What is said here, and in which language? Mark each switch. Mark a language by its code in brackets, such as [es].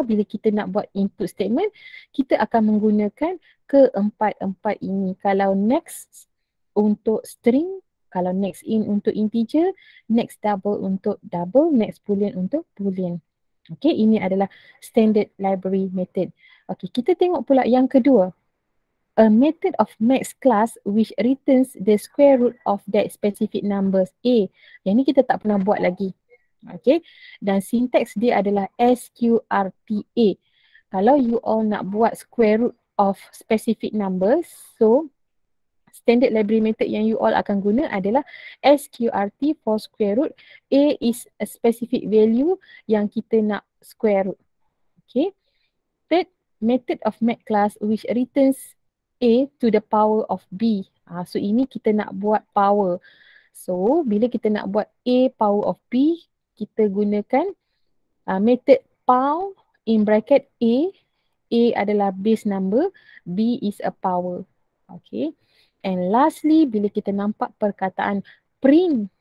[ms] Bila kita nak buat input statement, kita akan menggunakan keempat-empat ini. Kalau next untuk string, kalau next in untuk integer, next double untuk double, next boolean untuk boolean. Okay, ini adalah standard library method. Okay, kita tengok pula yang kedua. [en] A method of max class which returns the square root of that specific numbers A. [ms] Yang ni kita tak pernah buat lagi. Okay, dan syntax dia adalah SQRTA. Kalau you all nak buat square root of specific numbers, so standard library method yang you all akan guna adalah SQRT for square root. [en] A is a specific value [ms] yang kita nak [en] square root. Okay. Third, method of math class which returns A to the power of B. [ms] So ini kita nak buat power. So bila kita nak buat A power of B, kita gunakan method pow in bracket A. [en] A adalah base number, B is a power. [ms] Okay. [en] And lastly, [ms] bila kita nampak perkataan print.